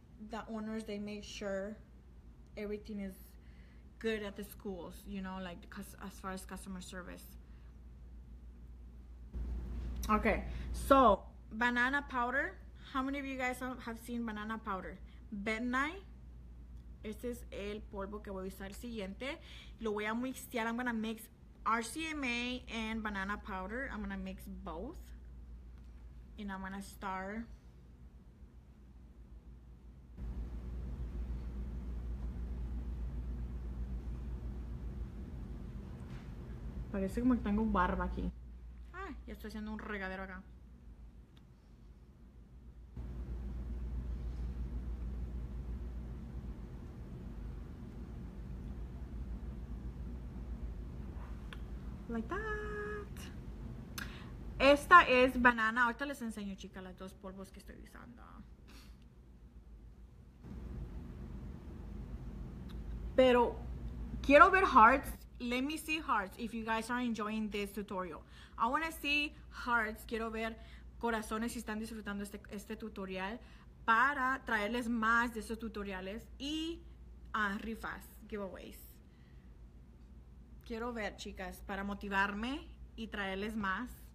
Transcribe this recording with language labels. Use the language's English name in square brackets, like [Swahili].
[English] The owners, they make sure everything is good at the schools, you know, like as far as customer service. Okay, so banana powder. How many of you guys have seen banana powder? Bentonite. [Spanish] Este es el polvo que voy a usar el siguiente. Lo voy a mixtear. [English] I'm going to mix RCMA and banana powder. I'm going to mix both. And I'm going to start. [Spanish] Parece como que tengo barba aquí. Y estoy haciendo un regadero acá. [English] Like that. [Spanish] Esta es banana. Ahorita les enseño, chicas, los dos polvos que estoy usando. Pero quiero ver hearts. [English] Let me see hearts if you guys are enjoying this tutorial. I want to see hearts. [Spanish] Quiero ver corazones si están disfrutando este tutorial para traerles más de esos tutoriales y rifas, giveaways. Quiero ver, chicas, para motivarme y traerles más.